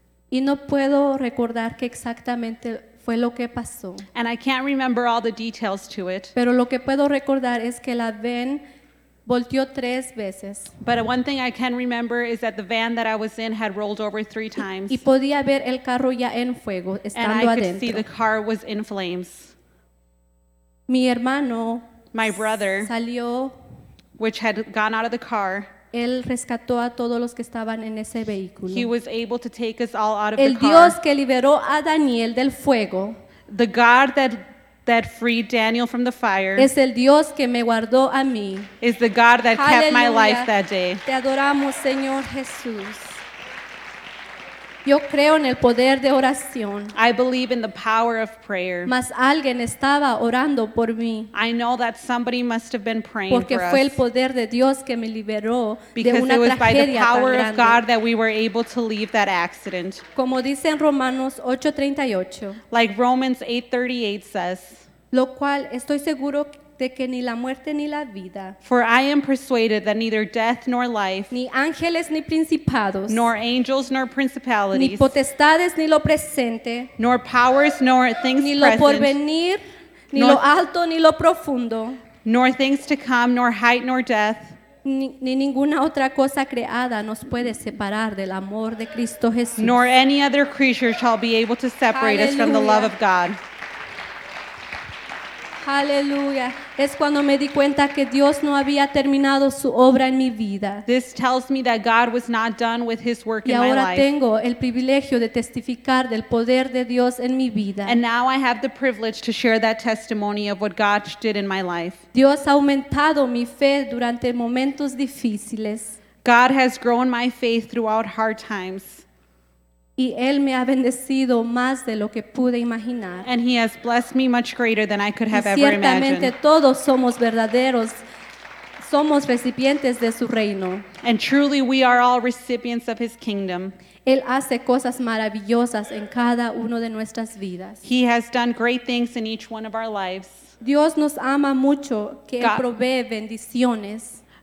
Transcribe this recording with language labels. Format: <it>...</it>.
<es>Y no puedo recordar qué exactamente fue lo que pasó.</es> <en>And I can't remember all the details to it.</en> <es>Pero lo que puedo recordar es que la van volteó 3 veces.</es> <en>But one thing I can remember is that the van that I was in had rolled over 3 times.</en> <es>Y podía ver el carro ya en fuego estando adentro.</es> <en>And I could see the car was in flames.</en> <es>Mi hermano,</es> <en>my brother,</en> <es>salió,</es> <en>which had gone out of the car.</en> <es>Él rescató a todos los que estaban en ese vehículo.</es> <en>He was able to take us all out of</en> <es>el</es> <en>the car.</en> <es>El Dios que liberó a Daniel del fuego.</es> <en>The God that freed Daniel from the fire.</en> <es>Es el Dios que me guardó a mí.</es> <en>Is the God that Hallelujah. Kept my life that day.</en> <es>Te adoramos, Señor Jesús. Yo creo en el poder de oración.</es> <en>I believe in the power of prayer.</en> <es>Mas alguien estaba orando por mí.</es> <en>I know that somebody must have been praying</en> <es>porque</es> <en>for us.</en> <es>Porque fue el poder de Dios que me liberó de una tragedia tan grande.</es> <en>Because it was by the power of God that we were able to leave that accident.</en> <es>Como dice en Romanos 8:38.</es> <en>Like Romans 8:38 says.</en> <es>Lo cual estoy seguro de que ni la muerte ni la vida.</es> <en>For I am persuaded that neither death nor life,</en> <es>ni ángeles ni principados,</es> <en>nor angels nor principalities,</en> <es>ni potestades ni lo presente,</es> <en>nor powers nor things present,</en> <es>ni lo porvenir, ni lo alto ni lo profundo,</es> <en>nor things to come, nor height nor depth,</en> <es>ni ninguna otra cosa creada nos puede separar del amor de Cristo Jesús.</es> <en>Nor any other creature shall be able to separate Hallelujah. Us from the love of God.</en> <es>Aleluya. Es cuando me di cuenta que Dios no había terminado su obra en mi vida.</es> <en>This tells me that God was not done with his work in my life.</en> <es>Y ahora tengo el privilegio de testificar del poder de Dios en mi vida.</es> <en>And now I have the privilege to share that testimony of what God did in my life.</en> <es>Dios ha aumentado mi fe durante momentos difíciles.</es> <en>God has grown my faith throughout hard times.</en> <es>Y Él me ha bendecido más de lo que pude imaginar.</es> <en>And He has blessed me much greater than I could have ever imagined.</en> <es>Ciertamente todos somos verdaderos, somos recipientes de su reino.</es> <en>And truly we are all recipients of His kingdom.</en> <es>Él hace cosas maravillosas en cada uno de nuestras vidas.</es> <en>He has done great things in each one of our lives.</en> <es>Dios nos ama mucho que Él provee bendiciones.</es>